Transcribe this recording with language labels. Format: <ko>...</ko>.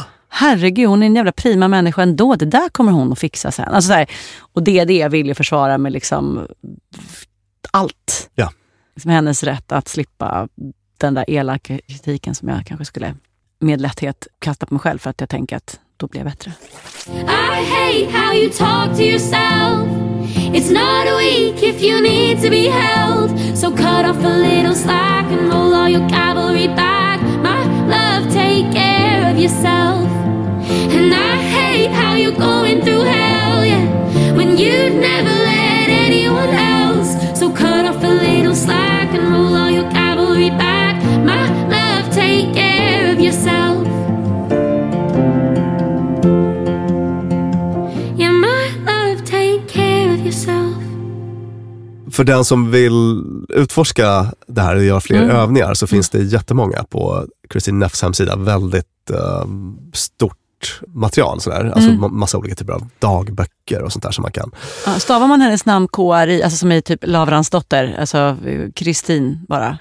<sv>Herregud, hon är en jävla prima människa ändå, det där kommer hon att fixa sen. Alltså så här, och det är det jag vill ju försvara med liksom allt. Ja. Som hennes rätt att slippa den där elaka kritiken som jag kanske skulle med lätthet kasta på mig själv, för att jag tänker att då blir jag bättre.</sv> <en>I hate how you talk to yourself. It's not weak if you need to be held. So cut off a little slack and roll all your cavalry back. My love, take care of yourself. And I hate how you're going through hell, yeah, when you'd never let anyone help. So cut off a little slack and roll all your cavalry back. My love, take care of yourself. Yeah, my love, take care of yourself.</en> <sv>För den som vill utforska det här och göra fler övningar, så finns det jättemånga på Kristin Neffs hemsida. Väldigt stort material sådär, alltså massa olika typer av dagböcker och sånt där som man kan. Ja, stavar man hennes namn K-R-I, alltså som är typ Lavrans dotter, alltså Kristin bara?</sv>